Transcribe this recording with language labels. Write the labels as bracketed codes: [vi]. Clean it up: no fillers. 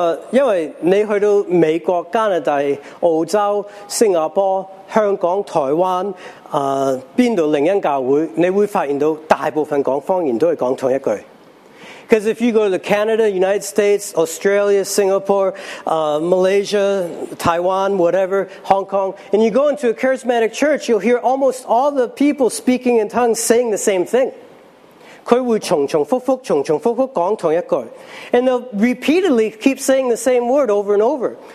[yue] 因為你去到美國、加拿大、澳洲、新加坡、香港、台灣，邊度靈恩教會，你會發現到大部分講方言都係講同一句。 [en] Because if you go to Canada, United States, Australia, Singapore, Malaysia, Taiwan, whatever, Hong Kong, and you go into a charismatic church, you'll hear almost all the people speaking in tongues saying the same thing. [yue] 他會重重複複講同一句, [en] and they'll repeatedly keep saying the same word over and over.